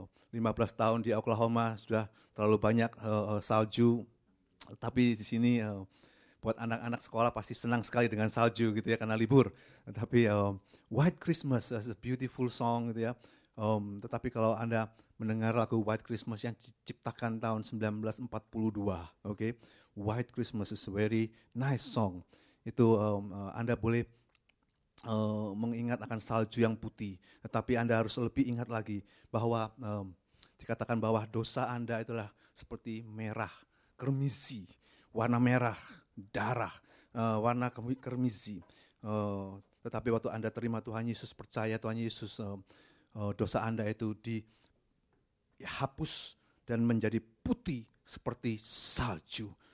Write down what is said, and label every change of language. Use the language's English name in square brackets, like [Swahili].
[Indonesian] 15 tahun di Oklahoma sudah terlalu banyak salju, tapi di sini buat anak-anak sekolah pasti senang sekali dengan salju, gitu ya, karena libur. Tapi [English] White Christmas is a beautiful song, [Indonesian] gitu ya. Tetapi kalau Anda mendengar lagu White Christmas yang diciptakan tahun 1942, oke? [English] Okay? White Christmas is a very nice song. [Indonesian] Itu Anda boleh mengingat akan salju yang putih, tetapi Anda harus lebih ingat lagi bahwa dikatakan bahwa dosa Anda itulah seperti merah, kermisi, warna merah darah, warna kermizi. Tetapi waktu Anda terima Tuhan Yesus, percaya Tuhan Yesus, dosa Anda itu dihapus dan menjadi putih seperti salju.